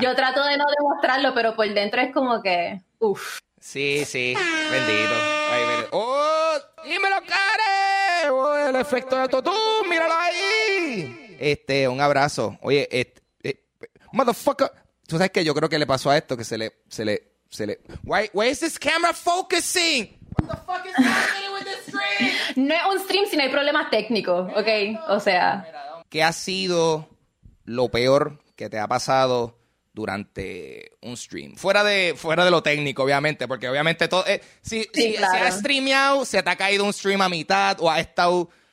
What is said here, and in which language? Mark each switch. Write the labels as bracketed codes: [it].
[es] Yo trato de no demostrarlo, pero por dentro es como que, uff. Sí, sí, bendito. ¡Oh! ¡Dímelo, Karen! ¡Oh, el efecto de Totú! ¡Míralo ahí! Un abrazo. Oye, motherfucker. ¿Tú sabes qué? Yo creo que le pasó a esto, que se le... [en] Why is this camera focusing? What the fuck is happening with this stream? [es] No es un stream si no hay problemas técnicos, ¿ok? O sea... ¿Qué ha sido lo peor que te ha pasado durante un stream? Fuera de lo técnico, obviamente, porque obviamente todo... Si has streameado, se te ha caído un stream a mitad, o has estado...